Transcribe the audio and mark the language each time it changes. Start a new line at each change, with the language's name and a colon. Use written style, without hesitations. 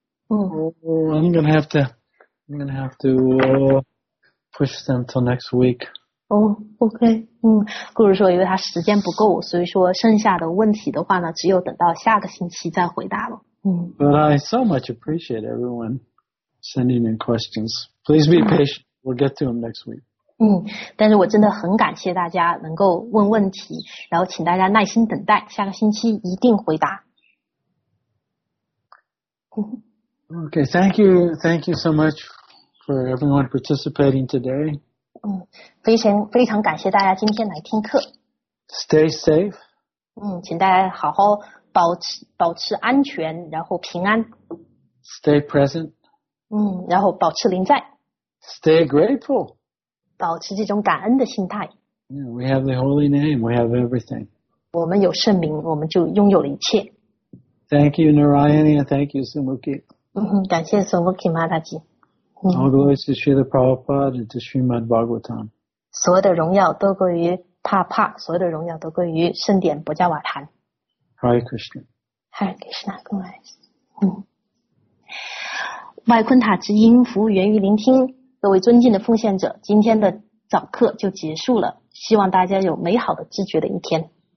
English: I'm gonna have to push them till next week. Oh, okay.
Chinese: 故事说因为他时间不够，所以说剩下的问题的话呢，只有等到下个星期再回答了。
English: But I so much appreciate everyone sending in questions. Please be patient. We'll get to them next week.
Chinese: 但是我真的很感谢大家能够问问题，然后请大家耐心等待，下个星期一定回答。
English: Okay, thank you. Thank you so much for everyone participating today.
Chinese: 非常感谢大家今天来听课。
English: Stay safe.
Chinese: 请大家好好保持安全，然后平安。
English: Stay present.
Chinese: 然后保持临在。
English: Stay grateful.
Chinese: 保持这种感恩的心态。
English: Yeah, we have the holy name. We have everything.
Chinese: 我们有圣名，我们就拥有了一切。
English: Thank you, Narayani, and thank you, Sumukhi.
Chinese: 感谢 Sumukhi Mataji.
English: All glories to Srila Prabhupada and to Srimad Bhagavatam.
Chinese: 所有的荣耀都归于帕帕，所有的荣耀都归于圣典博迦瓦坛。
English: Hare Krishna. Hare Krishna, good night.
Chinese: 麦昆塔之音服务源于聆听，各位尊敬的奉献者，今天的早课就结束了，希望大家有美好的知觉的一天。